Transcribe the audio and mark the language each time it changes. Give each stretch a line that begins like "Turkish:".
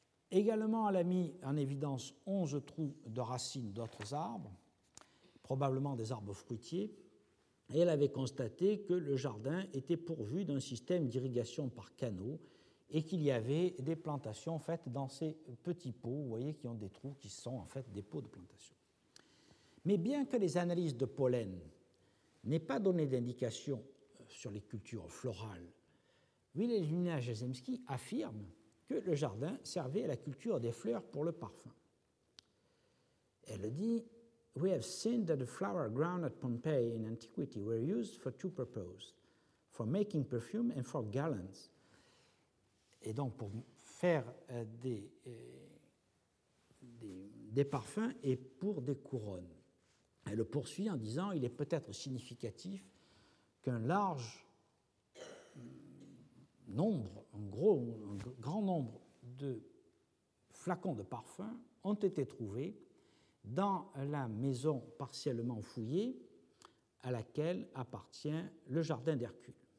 French: Également, elle a mis en évidence 11 trous de racines d'autres arbres, probablement des arbres fruitiers, et elle avait constaté que le jardin était pourvu d'un système d'irrigation par canaux et qu'il y avait des plantations faites dans ces petits pots, vous voyez, qui ont des trous qui sont en fait des pots de plantation. Mais bien que les analyses de pollen n'aient pas donné d'indication sur les cultures florales, Wilhelm Jerzymski affirme que le jardin servait à la culture des fleurs pour le parfum. Elle dit:
English: We have seen that the flower ground at Pompeii in antiquity were used for two purposes, for making perfume and for garlands.
French: Et donc pour faire des parfums et pour des couronnes. Elle poursuit en disant: Il est peut-être significatif qu'un large nombre, un grand nombre de flacons de parfums ont été trouvés dans la maison partiellement fouillée à laquelle appartient le jardin d'Hercule.